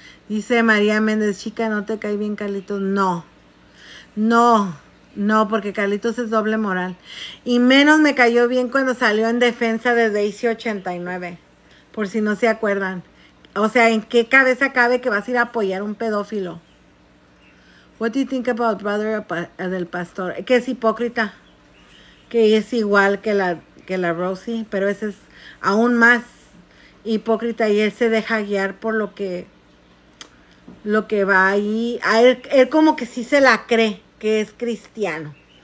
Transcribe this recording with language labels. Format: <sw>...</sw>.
<es>Dice María Méndez, chica, ¿no te cae bien Carlitos? No, no, no, porque Carlitos es doble moral. Y menos me cayó bien cuando salió en defensa de Daisy 89, por si no se acuerdan. O sea, ¿en qué cabeza cabe que vas a ir a apoyar a un pedófilo?</es> <en>What do you think about brother</en> <es>del pastor? Que es hipócrita, que es igual que la Rosie, pero ese es aún más hipócrita y él se deja guiar por lo que va ahí. A él como que sí se la cree que es cristiano.</es>